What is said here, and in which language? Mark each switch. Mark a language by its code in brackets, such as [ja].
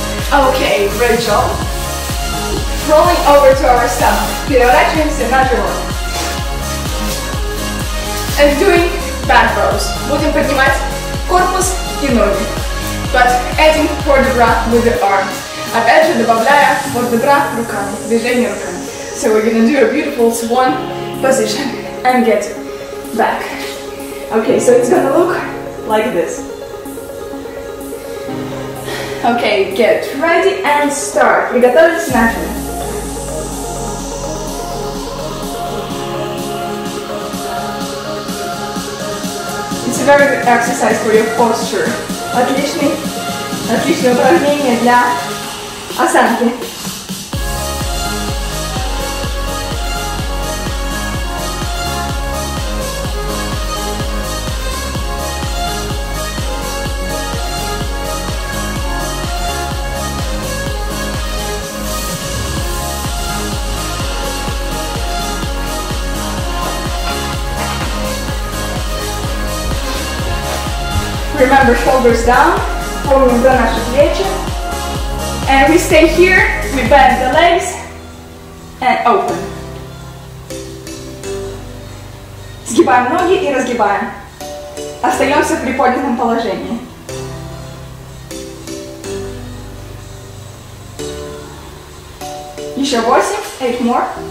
[en] Okay, great job. Rolling over to our stomach. [ru] Переворачиваемся на живот. [en] And doing back rows. [ru] Будем поднимать корпус и ноги. [en] But adding for the breath with the arms. [ru] Опять же добавляя [en] for the breath [ru] руками, движение руками. [en] So we're gonna do a beautiful swan position and get back. Okay, so it's gonna look like this. Okay, get ready and start. [ru] Приготовились начали. [en] It's a very good exercise for your posture. [ru] Отличный, отличное упражнение для осанки. [en] Remember, shoulders down, forward on our [ru] плечи. [en] And we stay here, we bend the legs, and open. [ru] Сгибаем ноги и разгибаем. Остаемся в приподнятом положении. Еще 8, [en] 8 more.